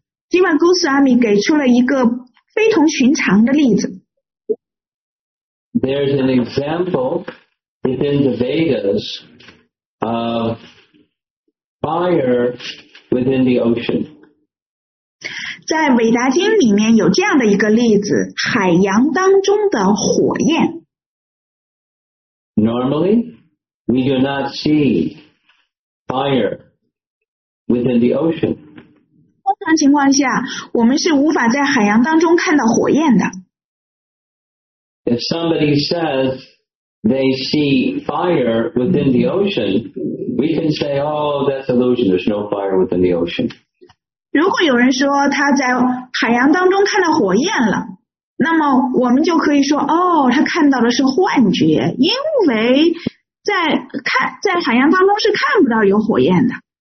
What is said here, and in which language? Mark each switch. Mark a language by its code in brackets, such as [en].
[zh] Jiva Goswami 给出了一个非同寻常的例子。 [en] There's an example within the Vedas of fire within the ocean. [zh] 在韦达经里面有这样的一个例子，海洋当中的火焰。 [en] Normally, we do not see fire within the ocean. [zh] 通常情况下，我们是无法在海洋当中看到火焰的。 [en] If somebody says they see fire within the ocean, we can say, "Oh, that's illusion. There's no fire within the ocean." [zh] 如果有人说他在海洋当中看到火焰了，那么我们就可以说，哦，他看到的是幻觉，因为在海洋当中是看不到有火焰的。